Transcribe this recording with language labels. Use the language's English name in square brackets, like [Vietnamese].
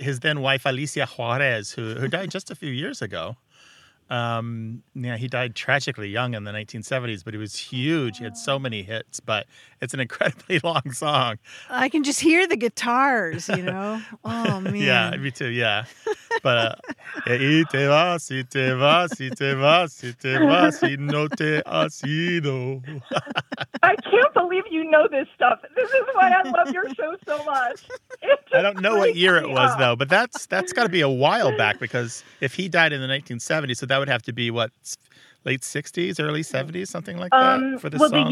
[English] his then wife, Alicia Juarez, who died just a few years ago. Yeah, he died tragically young in the 1970s, but he was huge. Oh. He had so many hits, but it's an incredibly long song. I can just hear the guitars, you know? Oh, man. Yeah, me too, yeah. [Spanish] But, y te vas, y te vas, y te vas, y te vas, y no te has ido. [English] I can't believe you know this stuff. This is why I love your show so much. I don't know what year it was, though, but that's got to be a while back, because if he died in the 1970s, so that would have to be, what, late 60s, early 70s, something like that, for this song